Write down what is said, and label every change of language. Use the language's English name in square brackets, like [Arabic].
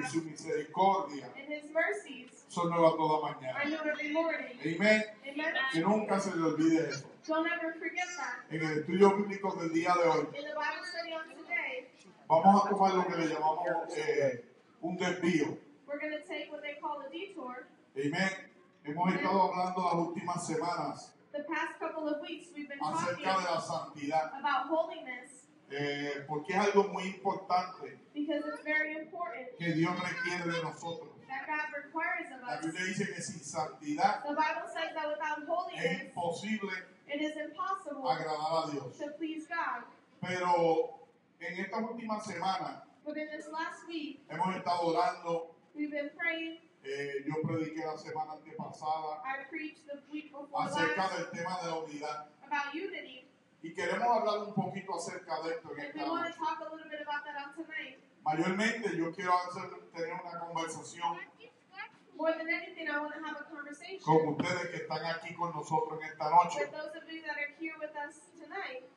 [Spanish] Y su misericordia. [English] And His mercies. [Spanish] Son nuevas toda mañana. [English] I know every morning. Amen. Amen. [Spanish] Que nunca se le olvide eso. [English] Don't ever forget that. [Spanish] En el estudio bíblico del día de hoy. [English] In the Bible study on today. [Spanish] Vamos a tomar lo que le llamamos un desvío. [English] We're going to take what they call a detour. [Spanish] Amen. Hemos estado hablando las últimas semanas. [English] The past couple of weeks we've been [Spanish] acerca [English] talking [Spanish] de la santidad. [English] About holiness. [Spanish] Porque es algo muy importante. [English] Because it's very important. [Spanish] Que Dios requiere de nosotros. [English] That God requires of us. [Spanish] La Biblia dice que sin santidad. [English] The Bible says that without holiness. [Spanish] Es imposible. [English] It is impossible. [Spanish] Agradar a Dios. [English] To please God. [Spanish] Pero en esta última semana, [English] but in this last week, [Spanish] hemos estado orando. [English] We've been praying. [Spanish] Yo prediqué la semana antepasada. [English] I preached the week before [Spanish] acerca [English] last, [Spanish] del tema de la unidad. [English] About unity. [Spanish] Y queremos hablar un poquito acerca de esto. [English] And we want to talk a little bit about that on tonight. [Spanish] Mayormente, yo quiero hacer, tener una conversación. [English] More than anything, I want to have a conversation. [Spanish] Con ustedes que están aquí con nosotros en esta noche. [English] With those of you that are here with us tonight.